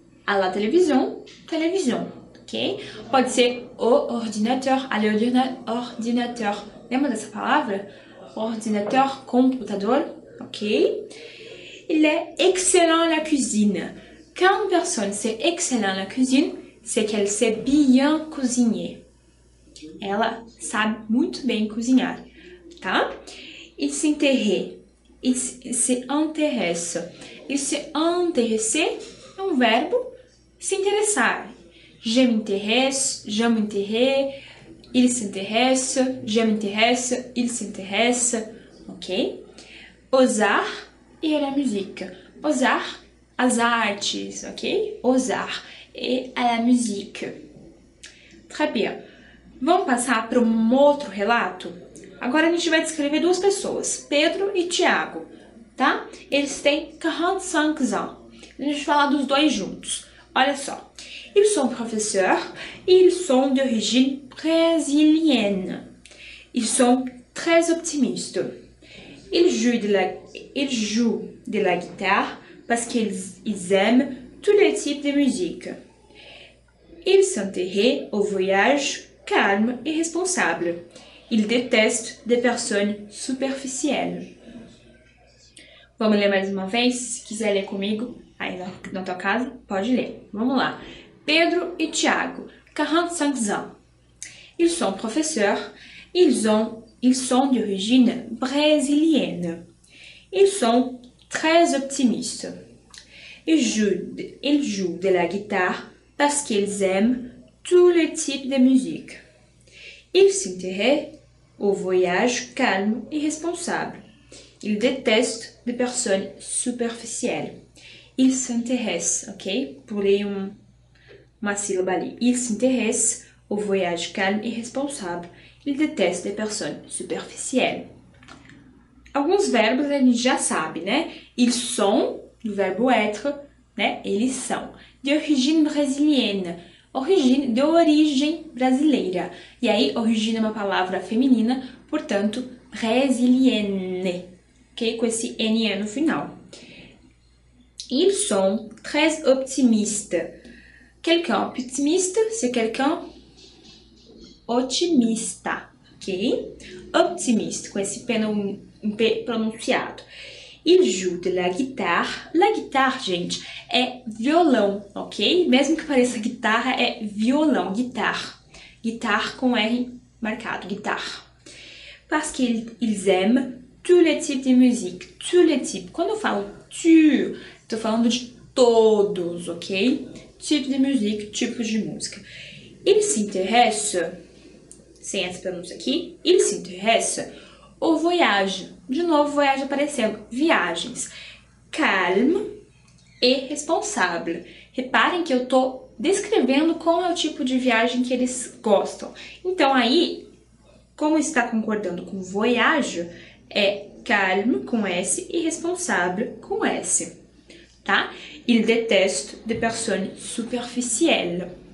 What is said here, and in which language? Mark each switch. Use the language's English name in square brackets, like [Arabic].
[French] À la télévision, télévision, ok? [Portuguese] Pode ser [French] au ordinateur, aller ordinateur. [Portuguese] Lembra dessa palavra? [French] Ordinateur, computador, ok? Il est excellent à la cuisine. Quand une personne c'est excellent à la cuisine, c'est qu'elle sait bien cuisiner. [Portuguese] Ela sabe muito bem cozinhar, tá? [French] Il s'intéresse. Il s'intéresse. Il s'intéresse [Portuguese] é um verbo se interessar. [French] Je m'intéresse, je m'intéresse. Il s'intéresse, je m'intéresse, il s'intéresse, ok? Aux arts et à la musique. Aux arts, [Portuguese] as artes, [French] ok? Aux arts et à la musique. Très bien. [Portuguese] Vamos passar para um outro relato? Agora a gente vai descrever duas pessoas, Pedro e Tiago, tá? Eles têm 45 ans. A gente vai falar dos dois juntos. Olha só. [French] Ils sont professeurs et ils sont d'origine brésilienne. Ils sont très optimistes. Ils jouent de la guitare parce qu'ils aiment tous les types de musique. Ils s'intéressent au voyage calme et responsable. Ils détestent des personnes superficielles. [Portuguese] Vamos ler mais uma vez? Se quiser ler comigo aí na tua casa, pode ler. Vamos lá. Pedro e Tiago, 45 ans. [French] Ils sont professeurs. Ils sont d'origine brésilienne. Ils sont très optimistes. Ils jouent de la guitare parce qu'ils aiment tous les types de musique. Ils s'intéressent au voyage calme et responsable. Ils détestent les personnes superficielles. Ils s'intéressent, ok? Pour les [Portuguese] uma sílaba ali. [French] Il s'intéresse au voyage calme et responsable. Il déteste les personnes superficielles. [Portuguese] Alguns verbos a gente já sabe, né? [French] Ils sont, [Portuguese] do verbo être, né? Eles são. [French] D'origine brésilienne. [Portuguese] Origine, de origem brasileira. E aí, origine é uma palavra feminina, portanto, brésilienne. Ok? Com esse N no final. [French] Ils sont très optimistes. Quelqu'un optimiste, c'est quelqu'un otimista, ok? [Portuguese] Optimiste, com esse P pronunciado. [French] Il joue de la guitare. La guitare, [Portuguese] gente, é violão, ok? Mesmo que pareça guitarra, é violão, guitar. Guitar com R marcado, guitar. [French] Parce qu'ils aiment tous les types de musique. Tous les types. [Portuguese] Quando eu falo tu, tô falando de todos, ok? Tipo de música, tipo de música. Il s'intéresse, sem essa pronúncia aqui, [French] il s'intéresse, [Portuguese] ou voyage, de novo, voyage aparecendo, viagens. Calme e responsável. Reparem que eu estou descrevendo qual é o tipo de viagem que eles gostam. Então, aí, como está concordando com voyage, é calme com S e responsável com S. Tá? [French] Il déteste des personnes superficielles.